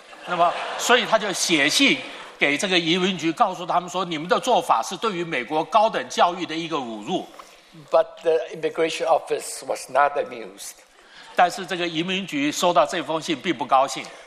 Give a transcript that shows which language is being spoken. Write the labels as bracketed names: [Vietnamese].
[Chinese] 那么，所以他就写信给这个移民局，告诉他们说，你们的做法是对于美国高等教育的一个侮辱。 [English] But the immigration office was not amused. [Chinese] 但是这个移民局收到这封信并不高兴。